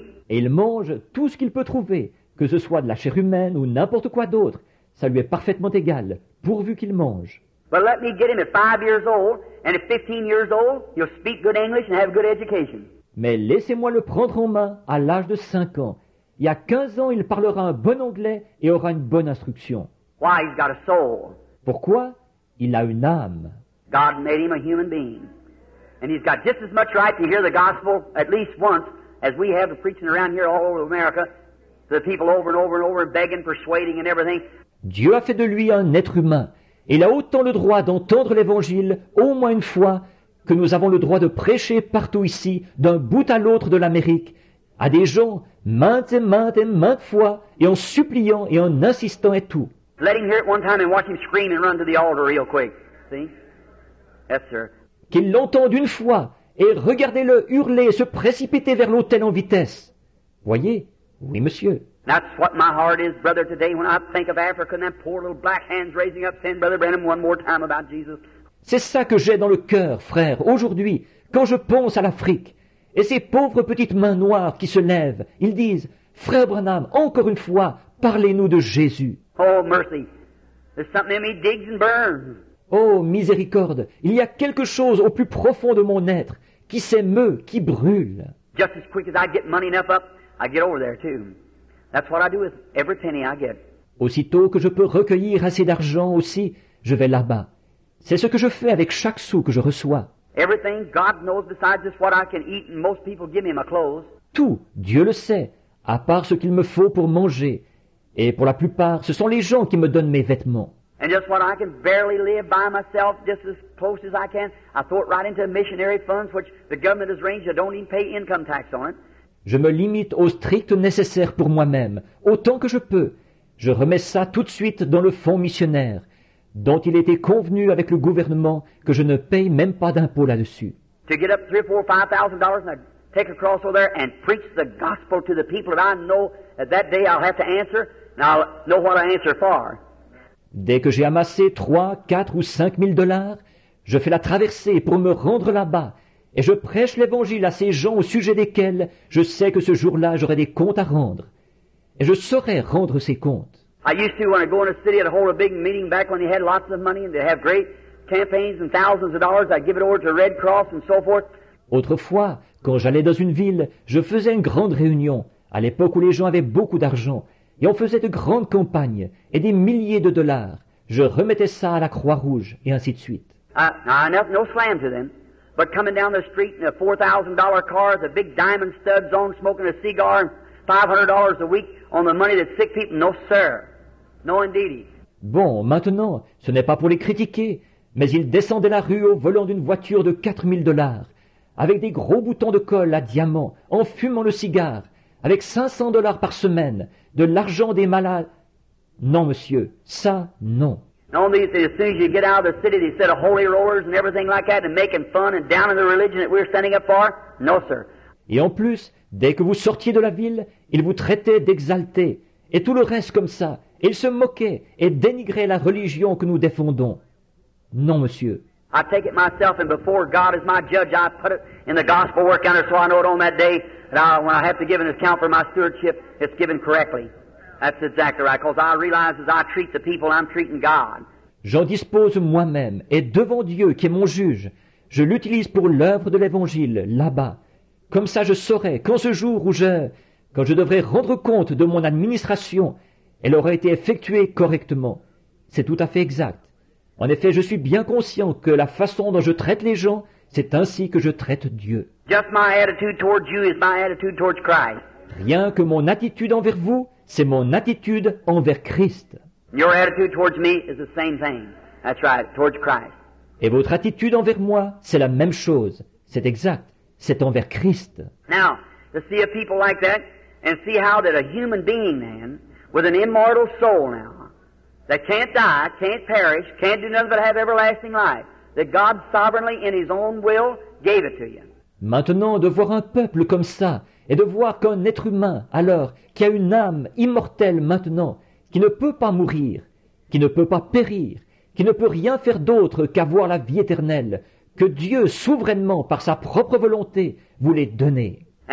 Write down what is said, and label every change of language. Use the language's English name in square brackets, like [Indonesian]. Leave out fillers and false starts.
[French] Et il mange tout ce qu'il peut trouver, que ce soit de la chair humaine ou n'importe quoi d'autre. Ça lui est parfaitement égal, pourvu qu'il mange. [English] But let me get him at 5 years old, and at 15 years old, he'll speak good English and have good education. [French] Mais laissez-moi le prendre en main à l'âge de 5 ans. Il y a 15 ans, il parlera un bon anglais et aura une bonne instruction. [English] Why, he's got a soul. [French] Pourquoi? Il a une âme. [English] God made him a human being. And he's got just as much right to hear the gospel at least once as we have preaching around here all over America to the people over and over and over begging, persuading and everything. [French] Dieu a fait de lui un être humain. Et il a autant le droit d'entendre l'évangile au moins une fois que nous avons le droit de prêcher partout ici, d'un bout à l'autre de l'Amérique, à des gens maintes et maintes et maintes fois, et en suppliant et en insistant et tout. [English] Let him hear it one time and watch him scream and run to the altar real quick. See? Yes, sir. [French] Qu'il l'entende une fois et regardez-le hurler, se précipiter vers l'autel en vitesse. Voyez, oui, monsieur. [English] That's what my heart is, brother, today when I think of Africa and that poor little black hands raising up saying, Brother Branham, one more time about Jesus. [French] C'est ça que j'ai dans le cœur, frère, aujourd'hui, quand je pense à l'Afrique et ces pauvres petites mains noires qui se lèvent. Ils disent, Frère Branham, encore une fois, parlez-nous de Jésus. [English] Oh, mercy. There's something in me digs and burns. [French] Oh, miséricorde, il y a quelque chose au plus profond de mon être qui s'émeut, qui brûle. [English] Just as quick as I get money enough up, I get over there too. That's what I do with every penny I get. [French] Aussitôt que je peux recueillir assez d'argent aussi, je vais là-bas. C'est ce que je fais avec chaque sou que je reçois. [English] Everything God knows besides just what I can eat and most people give me my clothes. [French] Tout, Dieu le sait, à part ce qu'il me faut pour manger. Et pour la plupart, ce sont les gens qui me donnent mes vêtements. [English] And just what I can barely live by myself, just as close as I can, I throw it right into missionary funds which the government has arranged. I don't even pay income tax on it. [French] Je me limite au strict nécessaire pour moi-même, autant que je peux. Je remets ça tout de suite dans le fonds missionnaire, dont il était convenu avec le gouvernement que je ne paye même pas d'impôt là-dessus. [English] To get up $3,000, $4,000, $5,000, and I take a cross over there and preach the gospel to the people that I know that day I'll have to answer, and I'll know what I answer for. [French] Dès que j'ai amassé $3,000, $4,000 ou $5,000, je fais la traversée pour me rendre là-bas. Et je prêche l'Évangile à ces gens au sujet desquels je sais que ce jour-là, j'aurai des comptes à rendre. Et je saurai rendre ces comptes. [English] I used to, when I'd go in a city, I'd hold a big meeting back when they had lots of money and they'd have great campaigns and thousands of dollars. I'd give it over to Red Cross and so forth. [French] Autrefois, quand j'allais dans une ville, je faisais une grande réunion, à l'époque où les gens avaient beaucoup d'argent, et on faisait de grandes campagnes et des milliers de dollars. Je remettais ça à la Croix-Rouge et ainsi de suite. [English] No slam to them. But coming down the street in a $4,000 car, the big diamond studs on, smoking a cigar, $500 a week on the money that sick people, no sir, no indeedy. [French] Bon, maintenant, ce n'est pas pour les critiquer, mais ils descendaient la rue au volant d'une voiture de $4,000, avec des gros boutons de colle à diamants, en fumant le cigare, avec $500 par semaine, de l'argent des malades. Non, monsieur, ça, non. [English] Only as soon as you get out of the city, they set a holy rollers and everything like that, and making fun and down in the religion that we're standing up for. No, sir. [French] Et en plus, dès que vous sortiez de la ville, ils vous traitaient d'exalté et tout le reste comme ça. Ils se moquaient et dénigraient la religion que nous défendons. Non, monsieur. [English] I take it myself, and before God is my judge, I put it in the gospel work counter so I know it on that day that when I have to give an account for my stewardship, it's given correctly. That's exactly right, because I realize as I treat the people, I'm treating God. [French] J'en dispose moi-même, et devant Dieu, qui est mon juge, je l'utilise pour l'œuvre de l'Évangile, là-bas. Comme ça, je saurai qu'en ce jour où quand je devrais rendre compte de mon administration, elle aura été effectuée correctement. C'est tout à fait exact. En effet, je suis bien conscient que la façon dont je traite les gens, c'est ainsi que je traite Dieu. [English] Just my attitude towards you is my attitude towards Christ. [French] Rien que mon attitude envers vous, c'est mon attitude envers Christ. [English] Your attitude towards me is the same thing. That's right, towards Christ. [French] Et votre attitude envers moi, c'est la même chose. C'est exact. C'est envers Christ. [English] Now, to see a people like that, and see how that a human being then, with an immortal soul now, that can't die, can't perish, can't do nothing but have everlasting life, that God sovereignly, in His own will, gave it to you. [French] Maintenant, de voir un peuple comme ça, et de voir qu'un être humain, alors, qui a une âme immortelle maintenant, qui ne peut pas mourir, qui ne peut pas périr, qui ne peut rien faire d'autre qu'avoir la vie éternelle, que Dieu, souverainement, par sa propre volonté, voulait donner.